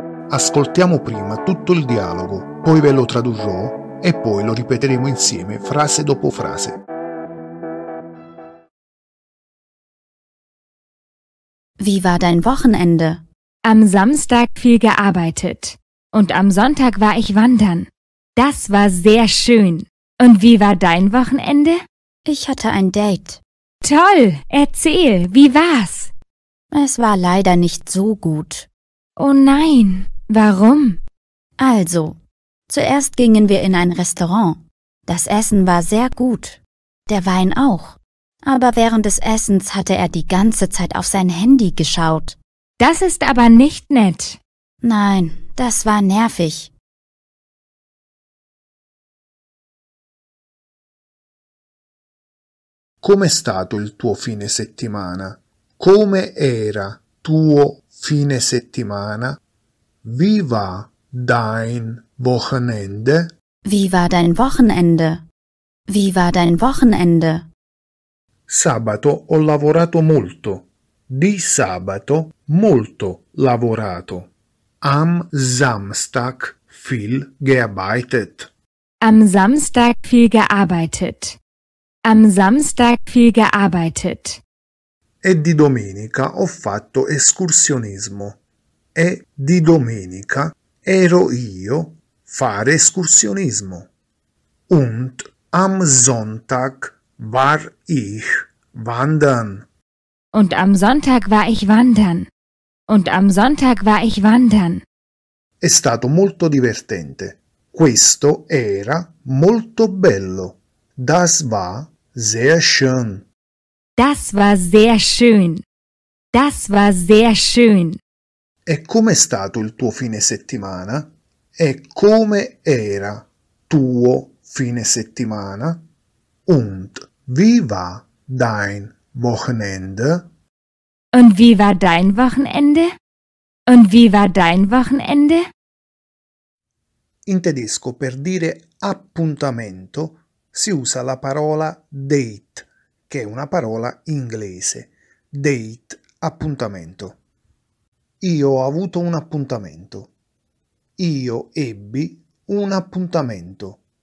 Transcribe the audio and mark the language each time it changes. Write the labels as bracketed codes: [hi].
[it] Ascoltiamo prima tutto il dialogo, poi ve lo tradurrò e poi lo ripeteremo insieme frase dopo frase. [de] Wie war dein Wochenende? Am Samstag viel gearbeitet. Und am Sonntag war ich wandern. Das war sehr schön. Und wie war dein Wochenende? Ich hatte ein Date. Toll! Erzähl, wie war's? Es war leider nicht so gut. Oh nein, warum? Also, zuerst gingen wir in ein Restaurant. Das Essen war sehr gut. Der Wein auch. Aber während des Essens hatte er die ganze Zeit auf sein Handy geschaut. Das ist aber nicht nett. Nein, das war nervig. [it] Com'è stato il tuo fine settimana? Come era tuo fine settimana? [de] Wie war dein Wochenende? Wie war dein Wochenende? Wie war dein Wochenende? [it] Sabato ho lavorato molto. Di sabato molto lavorato. [de] Am Samstag viel gearbeitet. Am Samstag viel gearbeitet. Am Samstag viel gearbeitet. [it] E di domenica ho fatto escursionismo. E di domenica ero io fare escursionismo. [de] Und am Sonntag war ich wandern. Und am Sonntag war ich wandern. Und am Sonntag war ich wandern. [it] È stato molto divertente. Questo era molto bello. [de] Das war sehr schön. Das war sehr schön. Das war sehr schön. [it] E com'è stato il tuo fine settimana? E come era tuo fine settimana? [de] Und wie war dein Wochenende? Und wie war dein Wochenende? Und wie war dein Wochenende? [it] In tedesco per dire appuntamento si usa la parola date, che è una parola inglese. Date, appuntamento. Io ho avuto un appuntamento. Io ebbi un appuntamento.